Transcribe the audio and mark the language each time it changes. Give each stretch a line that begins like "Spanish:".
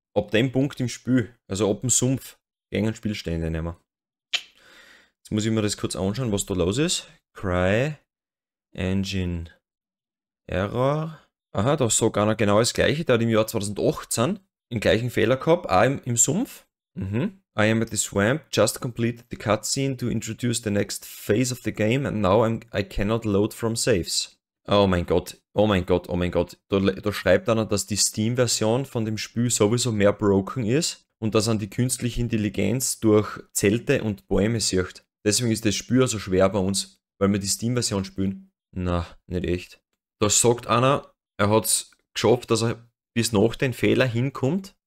German: Ab dem Punkt im Spiel, also ab dem Sumpf, gängen Spielstände nehmen wir. Jetzt muss ich mir das kurz anschauen, was da los ist. Cry Engine. Error. Aha, da ist sogar noch genau das gleiche. Der hat im Jahr 2018 den gleichen Fehler gehabt, auch im Sumpf. Mhm.
English: I am at the swamp, just completed the cutscene to introduce the next phase of the game and now I cannot load from saves.
German: Oh mein Gott, oh mein Gott, oh mein Gott. Da schreibt einer, dass die Steam-Version von dem Spiel sowieso mehr broken ist und dass an die künstliche Intelligenz durch Zelte und Bäume sieht. Deswegen ist das Spiel so schwer bei uns, weil wir die Steam-Version spielen. Na, nicht echt. Da sagt einer, er hat es geschafft, dass er bis nach den Fehler hinkommt.